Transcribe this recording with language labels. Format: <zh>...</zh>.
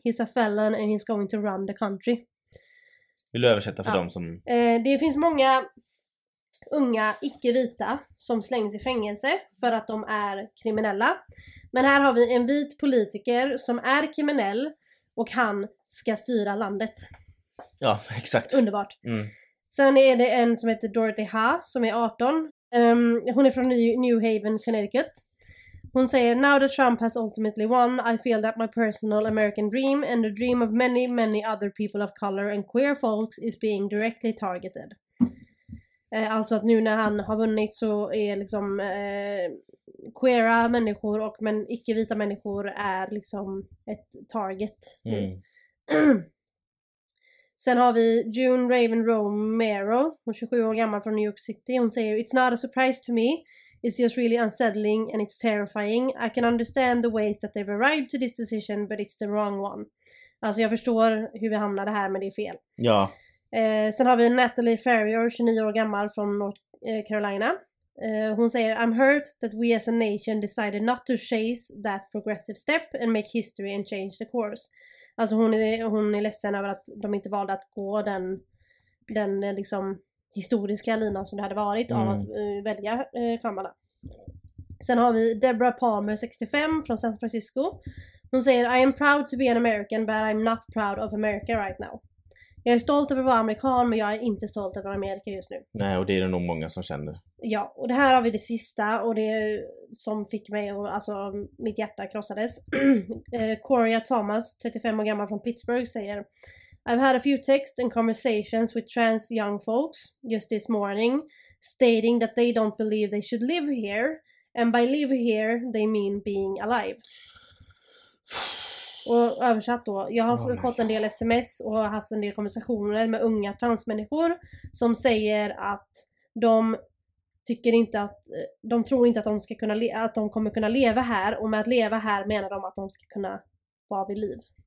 <en>He's a felon and he's going to run the country."</en> <sv>Vill du översätta för dem som... Det finns många unga icke-vita som slängs i fängelse för att de är kriminella. Men här har vi en vit politiker som är kriminell. Och han ska styra landet. Ja, exakt. Underbart. Mm. Sen är det en som heter Dorothy Ha som är 18. Hon är från New Haven, Connecticut. Hon säger:</sv> <en>"Now that Trump has ultimately won, I feel that my personal American dream and the dream of many, many other people of color and queer folks is being directly targeted."</en> <sv>Alltså att nu när han har vunnit så är liksom queera människor och men icke-vita människor är liksom ett target. Mm. Sen har vi June Raven Romero, hon är 27 år gammal från New York City. Hon säger:</sv> <en>"It's not a surprise to me. It's just really unsettling and it's terrifying. I can understand the ways that they've arrived to this decision, but it's the wrong one."</en> <sv>Alltså jag förstår hur vi hamnade här, men det är fel. Ja. Sen har vi Natalie Ferrier, 29 år gammal från North Carolina. Hon säger:</sv> <en>"I'm hurt that we as a nation decided not to chase that progressive step and make history and change the course."</en> <sv>Alltså hon är ledsen över att de inte valde att gå den liksom historiska linan som det hade varit av att välja Kamala. Sen har vi Deborah Palmer, 65, från San Francisco. Hon säger:</sv> <en>"I am proud to be an American, but I'm not proud of America right now."</en> <sv>Jag är stolt över att vara amerikan, men jag är inte stolt över Amerika just nu. Nej, och det är det nog många som känner. Ja, och det här har vi det sista, och det som fick mig, och alltså mitt hjärta krossades. Coria Thomas, 35 år gammal från Pittsburgh, säger:</sv> <en>I've had a few texts and conversations with trans young folks just this morning stating that they don't believe they should live here. And by live here, they mean being alive.</en> <sv>Och översatt då, jag har fått en del sms och haft en del konversationer med unga transmänniskor som säger att de tycker inte att, de tror inte att de ska kunna att de kommer kunna leva här, och med att leva här menar de att de ska kunna vara vid liv.</sv>